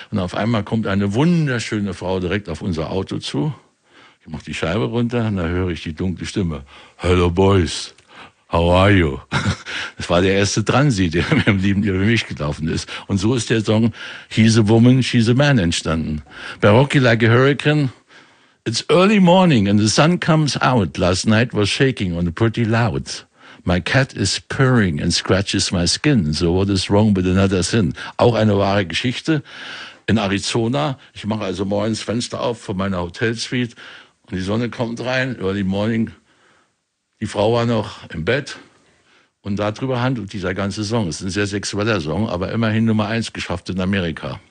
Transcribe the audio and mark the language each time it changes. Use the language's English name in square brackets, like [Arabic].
[German] Und auf einmal kommt eine wunderschöne Frau direkt auf unser Auto zu. Ich mache die Scheibe runter und da höre ich die dunkle Stimme. [English] Hello Boys, how are you? [German] Das war der erste Transi, der mit dem Lieben über mich gelaufen ist. Und so ist der Song He's a Woman, She's a Man entstanden. Bei Rocky Like a Hurricane. [English] It's early morning and the sun comes out. Last night was shaking and pretty loud. My cat is purring and scratches my skin. So what is wrong with another sin? [German] Auch eine wahre Geschichte in Arizona. Ich mache also morgens Fenster auf von meiner Hotelsuite und die Sonne kommt rein. [English] Early morning, [German] die Frau war noch im Bett. Und darüber handelt dieser ganze Song. Es ist ein sehr sexueller Song, aber immerhin Nummer 1 geschafft in Amerika.